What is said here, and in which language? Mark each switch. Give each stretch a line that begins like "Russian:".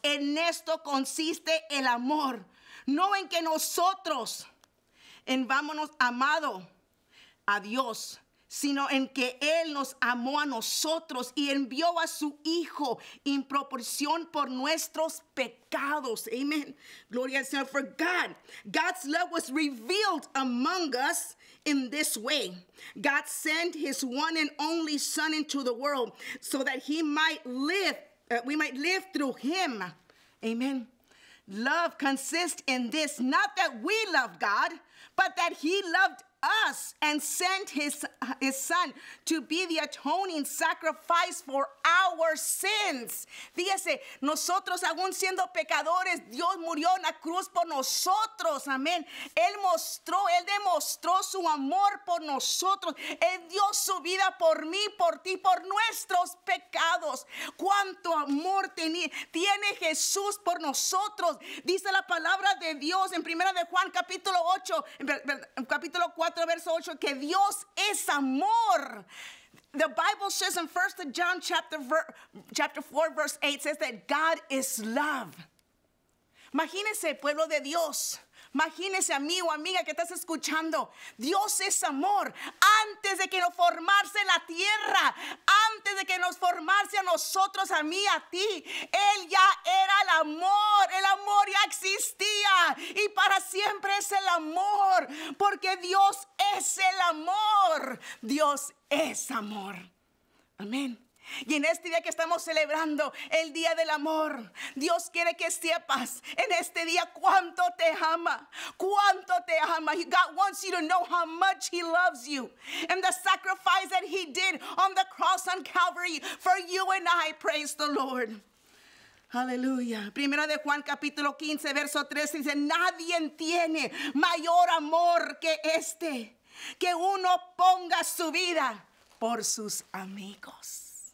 Spanish: En esto consiste el amor, no en que nosotros envámonos amado a Dios, sino en que Él nos amó a nosotros y envió a su Hijo en proporción por nuestros pecados. Amen. Gloria al Señor.
English: For God's love was revealed among us in this way. God sent His one and only Son into the world so that we might live through Him. Amen. Love consists in this, not that we love God, but that He loved us and sent his son to be the atoning sacrifice for our sins.
Spanish: Fíjese, nosotros aún siendo pecadores, Dios murió en la cruz por nosotros. Amén. Él demostró su amor por nosotros. Él dio su vida por mí, por ti, por nuestros pecados. Cuánto amor tiene Jesús por nosotros. Dice la palabra de Dios en primera de Juan, capítulo 8, capítulo 4, verso 8, que Dios es amor.
English: The Bible says in 1 John chapter 4, verse 8, says that God is love.
Spanish: Imagínese, pueblo de Dios. Imagínese, amigo, amiga, que estás escuchando. Dios es amor. Antes de que nos formase la tierra, antes de que nos formase a nosotros, a mí, a ti, Él ya era el amor. El amor ya existía. Y para siempre es el amor. Porque Dios es el amor. Dios es amor. Amén. Y en este día que estamos celebrando el Día del Amor, Dios quiere que sepas en este día cuánto te ama, cuánto te ama.
English: God wants you to know how much He loves you and the sacrifice that He did on the cross on Calvary for you and I, praise the Lord.
Spanish: Aleluya. Primera de Juan capítulo 15, verso 13 dice, nadie tiene mayor amor que este, que uno ponga su vida por sus amigos.